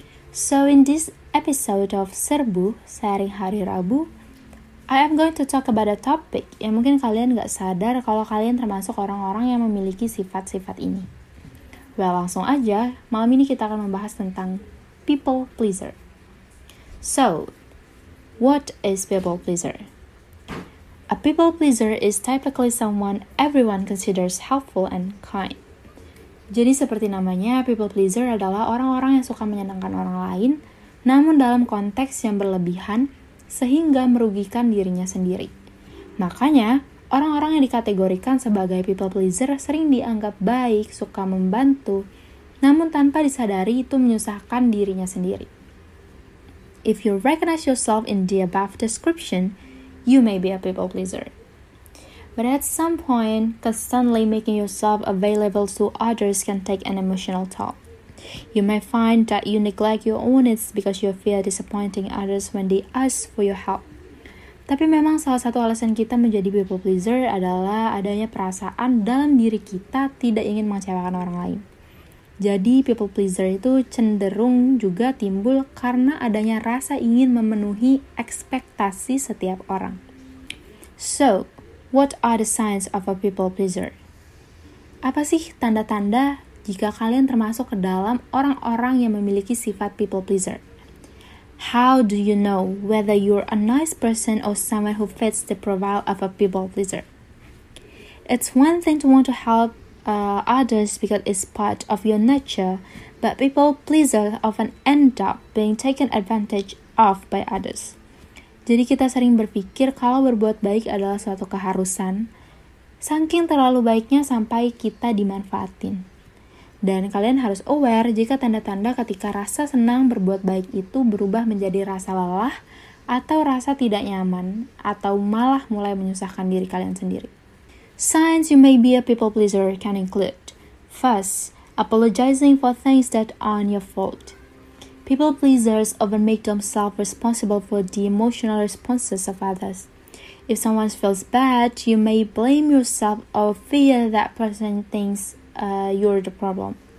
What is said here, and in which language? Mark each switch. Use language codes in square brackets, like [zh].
[en] So in this episode of Serbu, Sharing Hari Rabu, I am going to talk about a topic [id] yang mungkin kalian gak sadar kalau kalian termasuk orang-orang yang memiliki sifat-sifat ini. Well, langsung aja, malam ini kita akan membahas tentang people pleaser. [en] So, what is people pleaser? A people pleaser is typically someone everyone considers helpful and kind. [id] Jadi seperti namanya, people pleaser adalah orang-orang yang suka menyenangkan orang lain, namun dalam konteks yang berlebihan, sehingga merugikan dirinya sendiri. Makanya, orang-orang yang dikategorikan sebagai people pleaser sering dianggap baik, suka membantu, namun tanpa disadari itu menyusahkan dirinya sendiri. [en] If you recognize yourself in the above description, you may be a people pleaser. But at some point, constantly making yourself available to others can take an emotional toll. You may find that you neglect your own needs because you fear disappointing others when they ask for your help. [id] Tapi memang salah satu alasan kita menjadi people pleaser adalah adanya perasaan dalam diri kita tidak ingin mengecewakan orang lain. Jadi people pleaser itu cenderung juga timbul karena adanya rasa ingin memenuhi ekspektasi setiap orang. [en] So, what are the signs of a people pleaser? [id] Apa sih tanda-tanda jika kalian termasuk ke dalam orang-orang yang memiliki sifat people pleaser? [en] How do you know whether you're a nice person or someone who fits the profile of a people pleaser? It's one thing to want to help others because it's part of your nature, but people pleasers often end up being taken advantage of by others. [id] Jadi kita sering berpikir kalau berbuat baik adalah suatu keharusan, saking terlalu baiknya sampai kita dimanfaatin. Dan kalian harus aware jika tanda-tanda ketika rasa senang berbuat baik itu berubah menjadi rasa lelah atau rasa tidak nyaman atau malah mulai menyusahkan diri kalian sendiri. [en] Signs you may be a people pleaser can include: first, apologizing for things that aren't your fault. People pleasers often make themselves responsible for the emotional responses of others. If someone feels bad, you may blame yourself or fear that person thinks you're the problem.